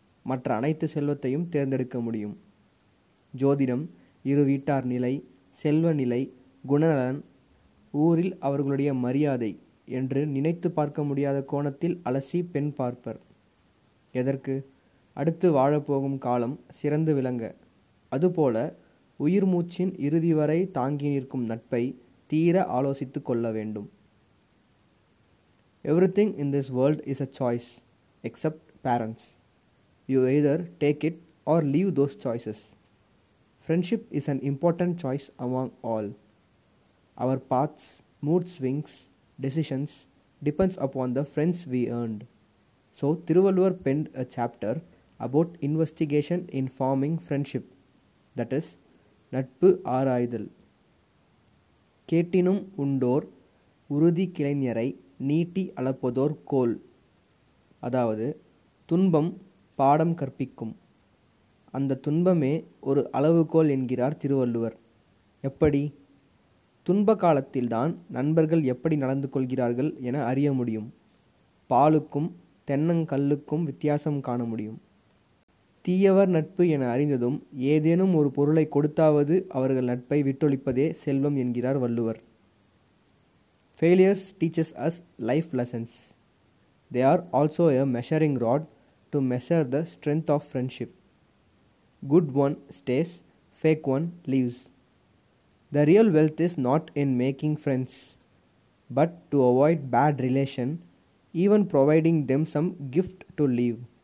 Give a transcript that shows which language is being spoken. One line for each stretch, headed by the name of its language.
Tamil: மற்ற அனைத்து செல்வத்தையும் தேர்ந்தெடுக்க முடியும். ஜோதிடம் இரு வீட்டார் நிலை, செல்வ நிலை, குணநலன், ஊரில் அவர்களுடைய மரியாதை என்று நினைத்து பார்க்க முடியாத கோணத்தில் அலசி பெண் பார்ப்பர். எதற்கு? அடுத்து வாழப்போகும் காலம் சிறந்து விளங்க. அதுபோல உயிர் மூச்சின் இறுதி வரை தாங்கி நிற்கும் நட்பை தீர ஆலோசித்து கொள்ள வேண்டும்.
English: Everything in this world is a choice, except parents. You either take it or leave those choices. Friendship is an important choice among all. Our paths, mood swings, decisions depends upon the friends we earned. So Thiruvalluvar penned a chapter about investigation in forming friendship, that is, Natpu Aaraidhal.
Tamil: Ketinum undor urudhi kilainyarai நீட்டி அளப்பதோர் கோல். அதாவது, துன்பம் பாடம் கற்பிக்கும், அந்த துன்பமே ஒரு அளவுகோல் என்கிறார் திருவள்ளுவர். எப்படி? துன்ப காலத்தில்தான் நண்பர்கள் எப்படி நடந்து கொள்கிறார்கள் என அறிய முடியும். பாலுக்கும் தென்னங்கல்லுக்கும் வித்தியாசம் காண முடியும். தீயவர் நட்பு என அறிந்ததும் ஏதேனும் ஒரு பொருளை கொடுத்தாவது அவர்கள் நட்பை விட்டொழிப்பதே செல்வம் என்கிறார் Valluvar.
English: Failures teaches us life lessons. They are also a measuring rod to measure the strength of friendship. Good one stays, fake one leaves. The real wealth is not in making friends, but to avoid bad relation, even providing them some gift to leave.